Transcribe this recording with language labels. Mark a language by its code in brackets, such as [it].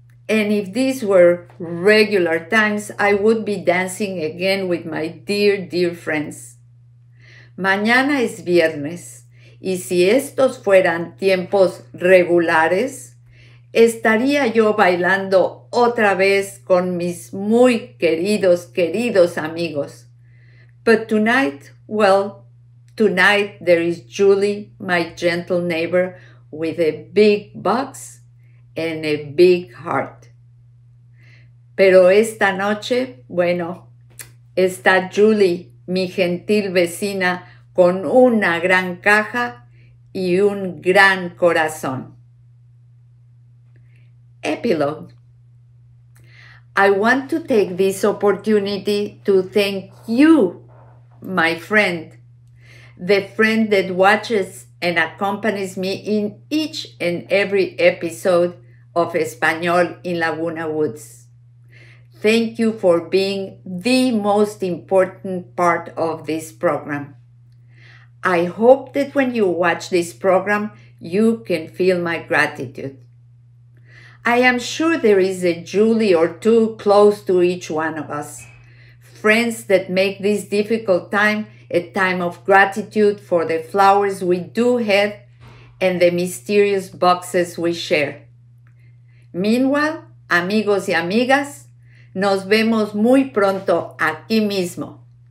[en] And if these were regular times, I would be dancing again with my dear, dear friends. [es] Mañana es viernes. Y si estos fueran tiempos regulares, estaría yo bailando otra vez con mis muy queridos, queridos amigos. [en] But tonight, well, tonight there is Julie, my gentle neighbor, with a big box and a big heart. [es] Pero esta noche, bueno, está Julie, mi gentil vecina, con una gran caja y un gran corazón. [en] Epilogue. I want to take this opportunity to thank you, my friend, the friend that watches and accompanies me in each and every episode of Espanol in Laguna Woods. Thank you for being the most important part of this program. I hope that when you watch this program, you can feel my gratitude. I am sure there is a Julie or two close to each one of us, friends that make this difficult time a time of gratitude for the flowers we do have and the mysterious boxes we share. Meanwhile, [es] amigos y amigas, nos vemos muy pronto aquí mismo.